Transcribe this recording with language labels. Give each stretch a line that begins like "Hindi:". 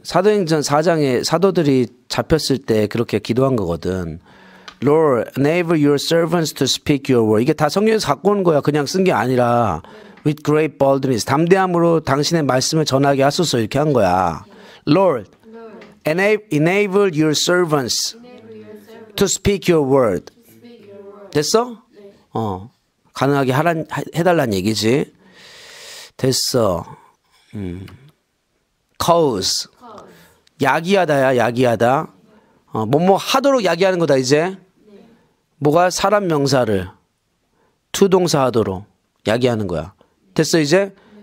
Korean: 사도행전 4장에 사도들이 잡혔을 때 그렇게 기도한 거거든.
English: Lord, enable your servants to speak your word.
Korean: 이게 다 성경에서 갖고 온 거야. 그냥 쓴 게 아니라
English: with great boldness.
Korean: 담대함으로 당신의 말씀을 전하게 하소서 이렇게 한 거야.
English: Lord, enable your servants to speak your word.
Korean: 됐어? 어. 가능하게 해달란 얘기지. 됐어. Cause. 야기하다야, 야기하다. 어, 뭐뭐 하도록 야기하는 거다, 이제. 뭐가 사람 명사를 to 동사 하도록 야기하는 거야. 됐어, 이제?